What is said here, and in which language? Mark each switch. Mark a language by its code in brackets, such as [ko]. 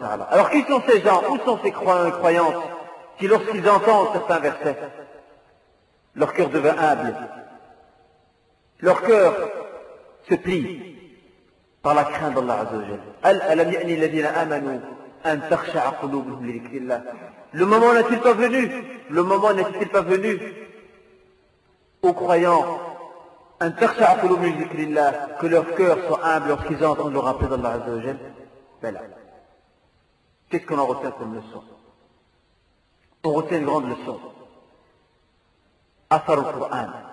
[fr] Alors qui sont ces gens? Où sont ces croyants et croyantes qui, lorsqu'ils entendent certains versets, leur cœur devient humble. Leur cœur se plie par la crainte d'Allah Azzawajal. [ar] « أَلَمْ يَأْنِي الَّذِينَ آمَنُوا أَنْ تَخْشَعَ قُلُوبُهُمْ لِذِكْرِ اللَّهِ » [fr] Le moment n'est-il pas venu? Le moment n'est-il pas venu aux croyants [ar] un tarsha akulumu zikrillah, [fr] que leur cœur soit humble lorsqu'ils entendent le rappel d'Allah Azza wa Jal? Ben là, qu'est-ce qu'on en retient comme leçon? On retient une grande leçon. Athar au Qur'an.